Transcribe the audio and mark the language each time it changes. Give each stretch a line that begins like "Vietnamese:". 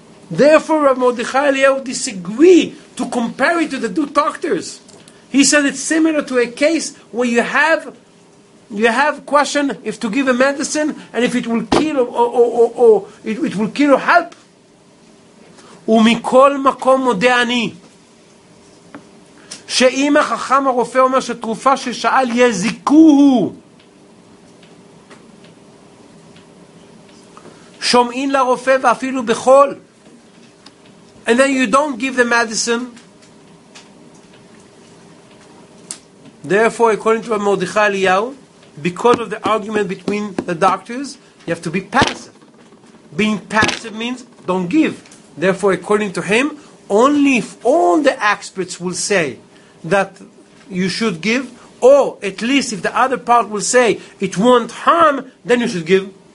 English: Therefore, Rav Mordechai Eliyahu disagree to compare it to the two doctors. He said it's similar to a case where you have question if to give a medicine and if it will kill or it will kill or help.
Hebrew: ומכל מקום מודה אני שאם החכם הרופא אומר שתרופה ששאל יזיקוהו שומעין לרופא ואפילו בכל.
English: And then you don't give the medicine. Therefore, according to Mordechai Eliyahu, because of the argument between the doctors, you have to be passive. Being passive means don't give. Therefore, according to him, only if all the experts will say that you should give, or at least if the other part will say it won't harm, then you should give.